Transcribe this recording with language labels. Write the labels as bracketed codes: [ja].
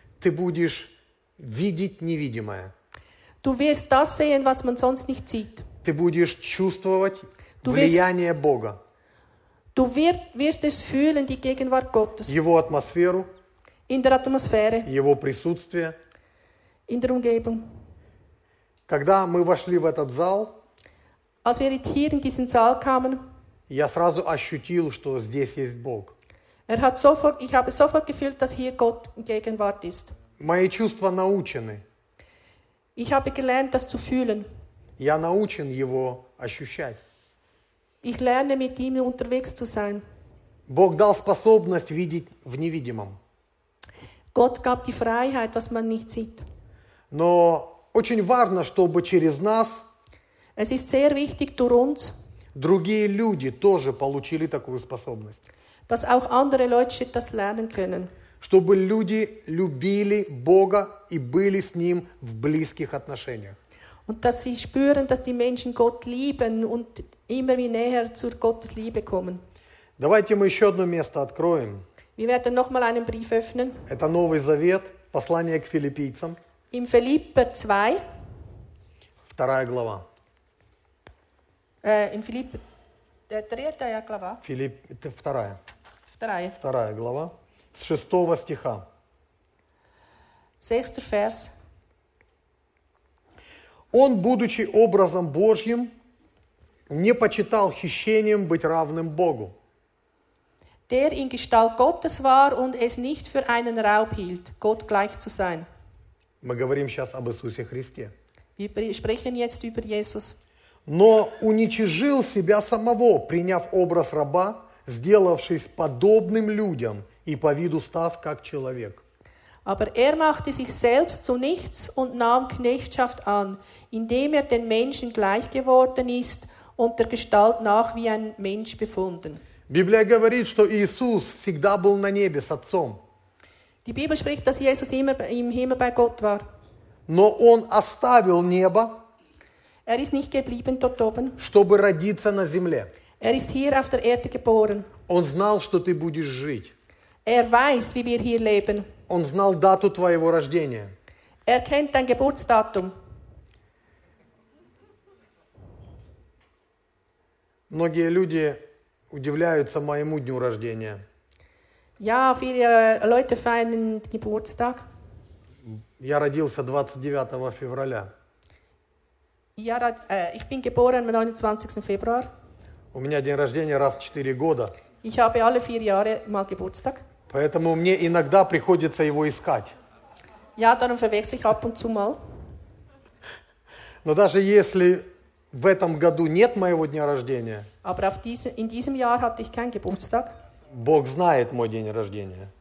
[ru] ты будешь видеть невидимое. [de] Du wirst das sehen, was man sonst nicht sieht. [ru] Ты будешь чувствовать влияние Бога. [de] Du wirst es fühlen, die Gegenwart Gottes. [ru] Его атмосферу. [de] In der Atmosphäre. [ru] Его присутствие. [de] In der Umgebung. [ru] Когда мы вошли в этот зал, [de] als wir hier in diesen Saal kamen, [ru] я сразу ощутил, что здесь есть Бог. [de] Ich habe sofort gefühlt, dass hier Gott in Gegenwart ist. [ru] Мои чувства научены. [de] Ich habe gelernt, das zu fühlen. [ru] Я научен его ощущать. [de] Ich lerne, mit ihm unterwegs zu sein. [ru] Бог дал способность видеть в невидимом. [de] Gott gab die Freiheit, was man nicht sieht. [ru] Но очень важно, чтобы через нас [de] es ist sehr wichtig, durch uns, [ru] другие люди тоже получили такую способность. [de] Dass auch andere Leute das lernen können. [ru] Чтобы люди любили Бога и были с Ним в близких отношениях. [de] Und dass sie spüren, dass die Menschen Gott lieben und immer näher zu Gottes Liebe kommen. [ru] Давайте мы еще одно место откроем. [de] Wir werden noch mal einen Brief öffnen. [ru] Это Новый Завет, послание к Филиппийцам. [de] Im Philipper 2. [ru] Вторая глава. [de] In Philipper, [ru] третья глава. Вторая. Вторая. Вторая глава. С шестого стиха. [de] Sechster Vers. [ru] Он, будучи образом Божьим, не почитал хищением быть равным Богу. [de] Der in Gestalt Gottes war und es nicht für einen Raub hielt, Gott gleich zu sein. [ru] Мы говорим сейчас об Иисусе Христе. [de] Wir sprechen jetzt über Jesus. [ru] Но уничижил себя самого, приняв образ раба, сделавшись подобным людям и по виду став как человек. [de] Aber er machte sich selbst zu nichts und nahm Knechtschaft an, indem er den Menschen gleich geworden ist und der Gestalt nach wie ein Mensch befunden. [ru] Библия говорит, что Иисус всегда был на небе с Отцом. [de] Die Bibel spricht, dass Jesus immer im Himmel bei Gott war. [ru] Но он оставил небо, [de] er ist nicht geblieben dort oben, [ru] чтобы родиться на земле. [de] Er ist hier auf der Erde geboren. [ru] Он знал, что ты будешь жить. [de] Er weiß, wie wir hier leben. [ru] Он знал дату твоего рождения. [de] Er kennt dein Geburtsdatum. [ru] Многие люди удивляются моему дню рождения. [de] Ja, viele Leute feiern den Geburtstag. [ru] Я родился 29 февраля. [de] Ich bin geboren am 29. Februar. [ru] У меня день рождения раз в 4 года. [de] Ich habe alle 4 Jahre mal Geburtstag. [ru] Поэтому мне иногда приходится его искать. [de] Ja, darum verwechsel ich ab und zu mal. [ru] Но даже если в этом году нет моего дня рождения, [de] aber in diesem Jahr hatte ich keinen Geburtstag. [ru] Бог знает мой день рождения.